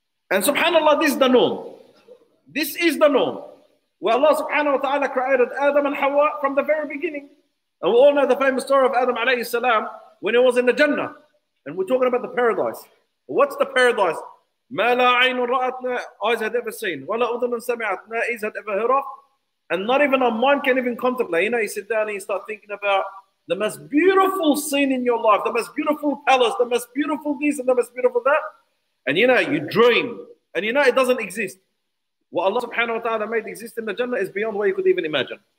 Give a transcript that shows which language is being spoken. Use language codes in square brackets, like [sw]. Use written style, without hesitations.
[en] And subhanAllah, this is the norm. This is the norm where Allah subhanahu wa ta'ala created Adam and Hawa from the very beginning. And we all know the famous story of Adam alayhi salam when he was in the Jannah. And we're talking about the paradise. What's the paradise? [ar] مَا لَا عَيْنٌ رَأَتْ لَا [en] eyes had ever seen. [ar] وَلَا أُذُنٌ سَمِعَتْ لَا [en] ears had ever heard of. And not even a mind can even contemplate. You know, you sit down and you start thinking about the most beautiful scene in your life, the most beautiful palace, the most beautiful this and the most beautiful that. And you know, you dream. And you know, it doesn't exist. What Allah subhanahu wa ta'ala made exist in the Jannah is beyond what you could even imagine.